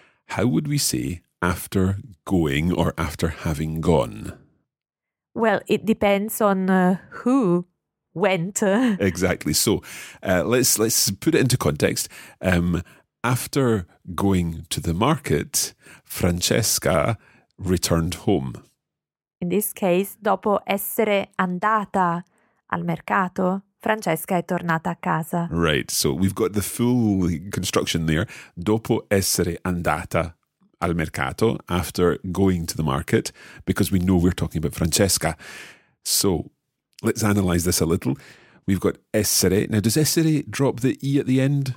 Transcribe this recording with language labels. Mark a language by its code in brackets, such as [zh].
[en] How would we say after going or after having gone? Well, it depends on who went. Exactly. So let's put it into context. After going to the market, Francesca returned home. In this case, [it] dopo essere andata al mercato, Francesca è tornata a casa. [en] Right, so we've got the full construction there. [it] Dopo essere andata al mercato, [en] after going to the market, because we know we're talking about Francesca. So let's analyse this a little. We've got essere. Now, does essere drop the E at the end?